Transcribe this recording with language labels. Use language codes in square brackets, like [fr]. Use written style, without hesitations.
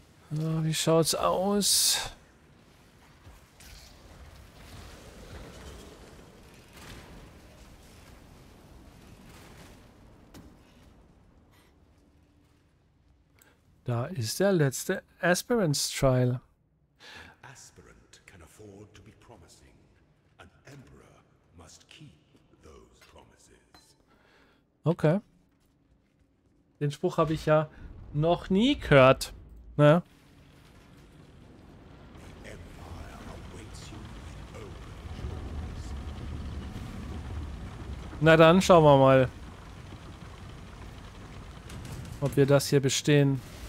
[de] So, wie schaut's aus? Da ist der letzte Aspirant's Trial. [en] Aspirant can afford to be promising. An emperor must keep those promises. Okay. [de] Den Spruch habe ich ja noch nie gehört. Ne? Na dann, schauen wir mal, ob wir das hier bestehen.